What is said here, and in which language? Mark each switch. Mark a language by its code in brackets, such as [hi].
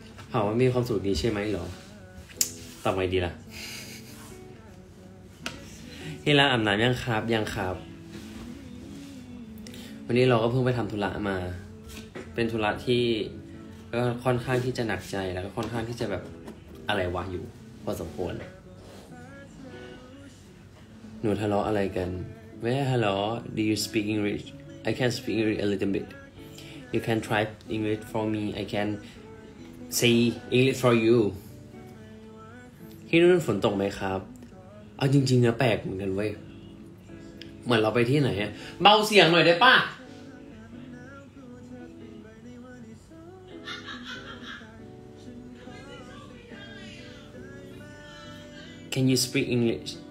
[th] ถามว่ามีความสุขดีใช่ไหมหรอทำไงดีล่ะพี่ล่าอาบน้ำยังครับยังครับวันนี้เราก็เพิ่งไปทำธุระมาเป็นธุระที่ก็ค่อนข้างที่จะหนักใจแล้วก็ค่อนข้างที่จะแบบอะไรวะอยู่พอสมควรหนูทะเลาะอะไรกันแม่ฮัลโหล [en] Do you speak English? I can speak English a little bit. You can try English for me. I canSee English for you. [th] ที่นู่นฝนตกไหมครับเอาจริงๆนะแปลกเหมือนกันเว้ยเหมือนเราไปที่ไหนเบาเสียงหน่อยได้ป่ะ [en] Can you speak English?